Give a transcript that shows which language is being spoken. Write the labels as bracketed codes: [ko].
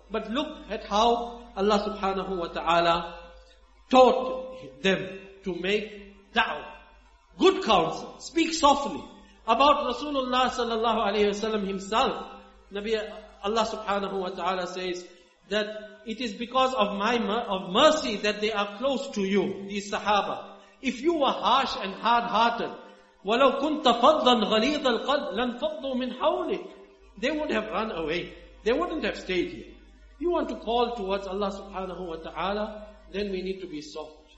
[en] But look at how Allah subhanahu wa ta'ala taught them to make da'wah. Good counsel. Speak softly. About Rasulullah sallallahu alayhi wa sallam himself, Nabi Allah subhanahu wa ta'ala says, that it is because of mercy that they are close to you, these sahaba. If you were harsh and hard-hearted, [ar] وَلَوْ كُنْتَ فَضًّا غَلِيظَ الْقَلْبِ لَنْفَضُّوا مِنْ حَوْلِكَ. [en] They would have run away. They wouldn't have stayed here. You want to call towards Allah subhanahu wa ta'ala, then we need to be soft.